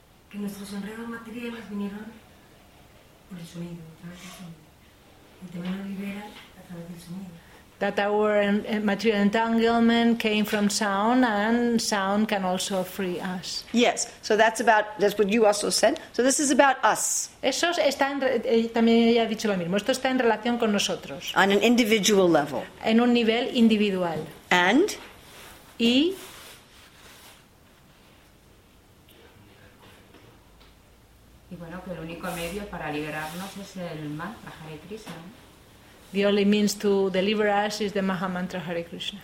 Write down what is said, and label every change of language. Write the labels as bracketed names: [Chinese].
[Spanish] Que nuestros enredos materiales vinieron por el sonido, a través del sonido. El tema nos libera a través del sonido. [English] That our material entanglement came from sound, and sound can also free us. Yes, so that's what you also said. So this is about us. [Spanish] Eso está en, también ella ha dicho lo mismo. Esto está en relación con nosotros. [English] On an individual level. [Spanish] En un nivel individual. [English] And. [Spanish] Y. Y bueno, que el único medio para liberarnos es el mantra Hare Krishna. [English] The only means to deliver us is the Maha Mantra Hare Krishna.